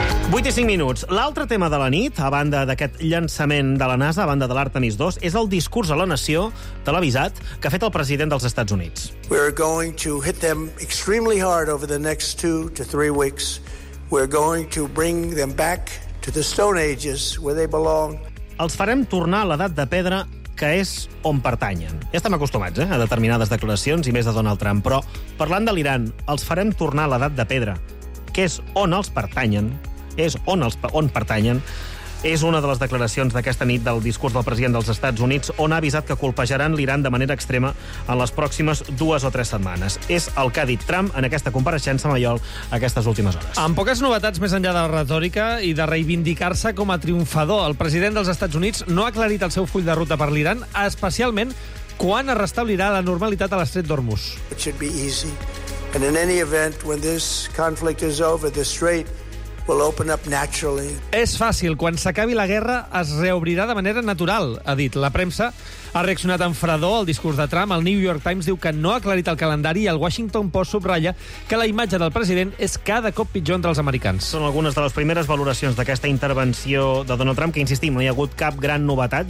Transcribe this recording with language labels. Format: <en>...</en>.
<ca>25 minuts. L'altre tema de la nit, a banda d'aquest llançament de la NASA, a banda de l'Artemis 2, és el discurs a la nació televisat que ha fet el president dels Estats Units.</ca> <en>We're going to hit them extremely hard over the next 2 to 3 weeks. We're going to bring them back to the Stone Ages, where they belong.</en> <ca>Els farem tornar a l'edat de pedra, que és on pertanyen. Ja estem acostumats, a determinades declaracions, i més de Donald Trump, però parlant de l'Iran, els farem tornar a l'edat de pedra, que és on els pertanyen, és on els on pertanyen, és una de les declaracions d'aquesta nit del discurs del president dels Estats Units, on ha avisat que colpejaran l'Iran de manera extrema en les pròximes 2 o 3 setmanes. És el que ha dit Trump en aquesta compareixença a Mallol aquestes últimes hores. Amb poques novetats més enllà de la retòrica i de reivindicar-se com a triomfador, el president dels Estats Units no ha aclarit el seu full de ruta per l'Iran, especialment quan es restablirà la normalitat a l'estret d'Hormuz.</ca> <en>It should be easy. And in any event, when this conflict is over, the strait will open up naturally.</en> <ca>És fàcil, quan s'acabi la guerra es reobrirà de manera natural, ha dit. La premsa ha reaccionat amb fredor al discurs de Trump. El New York Times diu que no ha aclarit el calendari i el Washington Post subratlla que la imatge del president és cada cop pitjor entre els americans. Són algunes de les primeres valoracions d'aquesta intervenció de Donald Trump, que, insistim, no hi ha hagut cap gran novetat.</ca>